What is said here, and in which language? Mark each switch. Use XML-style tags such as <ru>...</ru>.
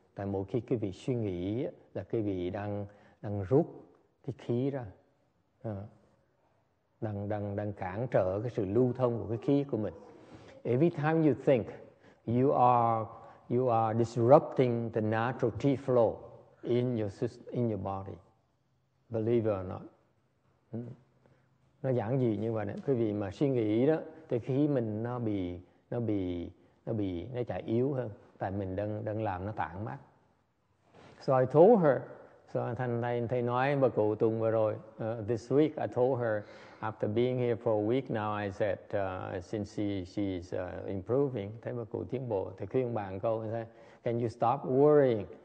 <vi>Tại mỗi khi quý vị suy nghĩ là quý vị đang rút cái khí ra, đang cản trở cái sự lưu thông của cái khí của mình.</vi> <en>Every time you think, you are disrupting the natural chi flow in your body. Believe it or not.</en> <vi>Nó giản dị như vậy đó. Quý vị mà suy nghĩ đó thì khí mình nó chạy yếu hơn, tại mình đang làm nó tản mát.</vi> <en>So I told her, so</en> <vi>thầy nói với bà cụ Tùng vừa rồi,</vi> <en>this week I told her after being here for a week now, I said since she's improving,</en> <vi>thấy bà cụ tiến bộ, thầy khuyên bà một câu, thầy,</vi> <en>can you stop worrying?</en>